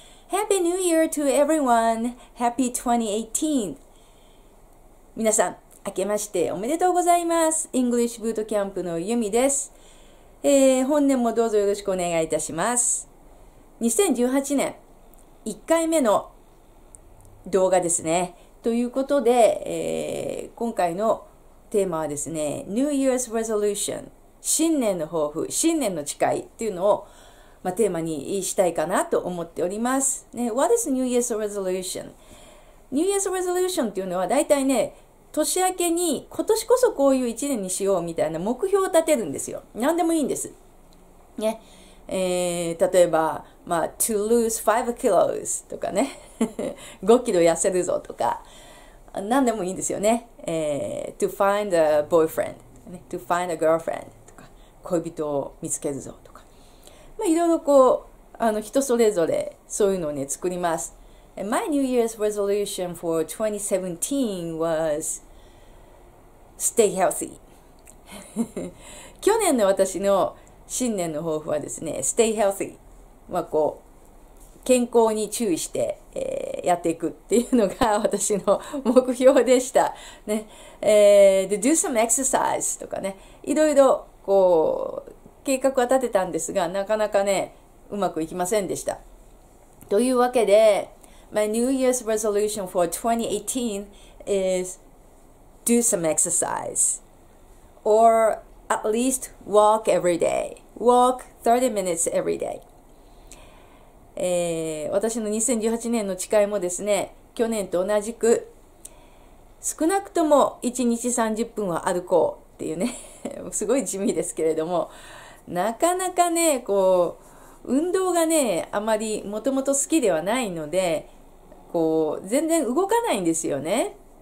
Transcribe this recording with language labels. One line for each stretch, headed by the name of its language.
English: Happy New Year to everyone! Happy 2018!
Japanese: 皆さん、明けましておめでとうございます。English Bootcamp のユミです、本年もどうぞよろしくお願いいたします。 2018年、1回目の動画ですね。ということで、今回のテーマはですね、New Year's Resolution、新年の抱負、新年の誓いっていうのをまあ、テーマにしたいかなと思っております。
English: ね、What is New Year's Resolution?
Japanese: New Year's Resolution っていうのは大体ね、年明けに今年こそこういう一年にしようみたいな目標を立てるんですよ。何でもいいんです。ね、例えば、まあ、
English: To lose 5 kilos
Japanese: とかね、5キロ痩せるぞとか、何でもいいんですよね。
English: To find a boyfriend、ね、To find a girlfriend とか、
Japanese: 恋人を見つけるぞとか。まあ、いろいろこう、人それぞれ、そういうのをね、作ります。
English: My New Year's resolution for 2017 was stay healthy.
Japanese: 去年の私の新年の抱負はですね、
English: stay healthy.
Japanese: まあ、こう、健康に注意して、やっていくっていうのが私の目標でした。ね。で、
English: do some exercise
Japanese: とかね、いろいろ、こう、計画は立てたんですが、なかなかね、うまくいきませんでした。というわけで、
English: My New Year's resolution for 2018 is do some exercise. Or at least walk every day. Walk 30 minutes every day.、
Japanese: 私の2018年の誓いもですね、去年と同じく、少なくとも1日30分は歩こうっていうね、すごい地味ですけれども、なかなかね、こう、運動がね、あまりもともと好きではないので、こう、全然動かないんですよね。